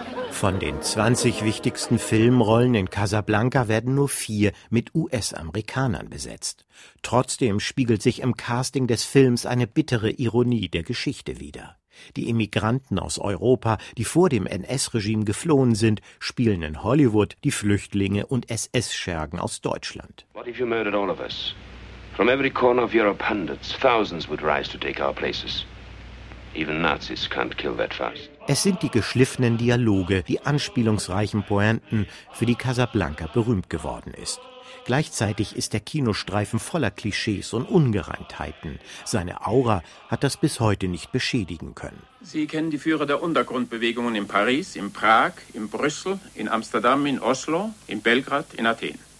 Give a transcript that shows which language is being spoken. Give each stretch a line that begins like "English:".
German: Von den 20 wichtigsten Filmrollen in Casablanca werden nur 4 mit US-Amerikanern besetzt. Trotzdem spiegelt sich im Casting des Films eine bittere Ironie der Geschichte wider. Die Immigranten aus Europa, die vor dem NS-Regime geflohen sind, spielen in Hollywood die Flüchtlinge und SS-Schergen aus Deutschland.
English: What if you murdered all of us? From every corner of Europe, hundreds, thousands would rise to take our places. Even Nazis can't kill that fast.
German: Es sind die geschliffenen Dialoge, die anspielungsreichen Pointen, für die Casablanca berühmt geworden ist. Gleichzeitig ist der Kinostreifen voller Klischees und Ungereimtheiten. Seine Aura hat das bis heute nicht beschädigen können. Sie kennen die Führer der Untergrundbewegungen in Paris, in Prag, in Brüssel, in Amsterdam, in Oslo, in Belgrad, in Athen.